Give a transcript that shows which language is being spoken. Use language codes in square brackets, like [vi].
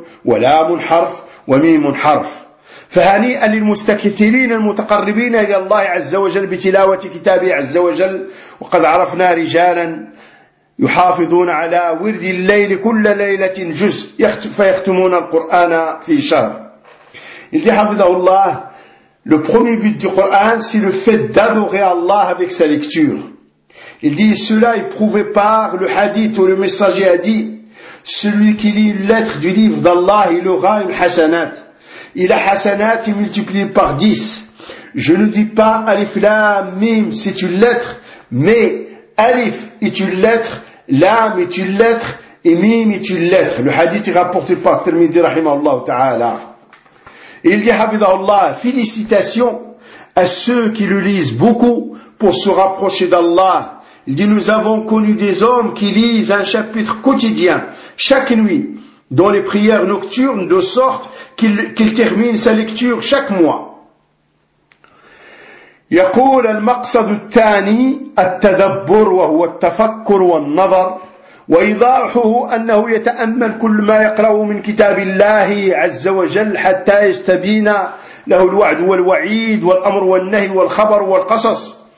[ar] ولام حرف وميم حرف فهنيئا للمستكثرين المتقربين إلى الله عز وجل بتلاوة كتابه عز وجل وقد عرفنا رجالا يحافظون على ورد الليل كل ليلة جزء فيختمون القرآن في شهر. [fr] Il dit حفظه الله le premier but du Coran c'est le fait d'adorer Allah avec sa lecture. Il dit cela est prouvé par le hadith où le messager a dit celui qui lit une lettre du livre d'Allah il aura une hasanat. Il a hasanat et multiplié par 10. Je ne dis pas alif lam mim c'est une lettre mais Alif est une lettre, Lam est une lettre, et Mim est une lettre. Le hadith est rapporté par Tirmidhi rahimahullah ta'ala. Et il dit, Habidahullah, félicitations à ceux qui le lisent beaucoup pour se rapprocher d'Allah. Il dit, nous avons connu des hommes qui lisent un chapitre quotidien, chaque nuit, dans les prières nocturnes de sorte qu'il termine sa lecture chaque mois. [ar] يقول المقصد الثاني التدبر وهو التفكر والنظر وإيضاحه أنه يتأمل كل ما يقرأه من كتاب الله عز وجل حتى يستبين له الوعد والوعيد والأمر والنهي والخبر والقصص